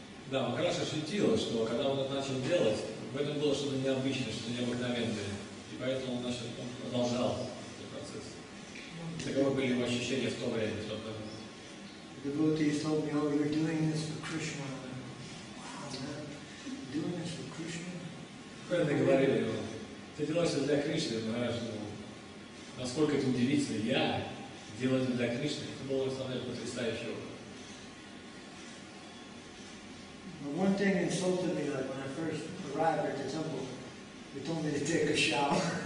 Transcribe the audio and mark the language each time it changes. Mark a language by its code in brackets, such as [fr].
[ru] Да, он хорошо ощутил, что когда он это начал делать, в этом было что-то необычное, что-то необыкновенное. И поэтому он продолжал этот процесс. Таковы были его ощущения в то время, в тот момент. [en] Devotees told me, oh, you're doing this for Krishna. Wow, man. You're doing this for Krishna? [ru] Преданные говорили ему, ты делаешь это для Кришны, Махарадж думал. Насколько это удивительно, я делаю это для Кришны. Это было, на самом деле, потрясающе. [en] But one thing insulted me, like when I first arrived at the temple, they told me to take a shower.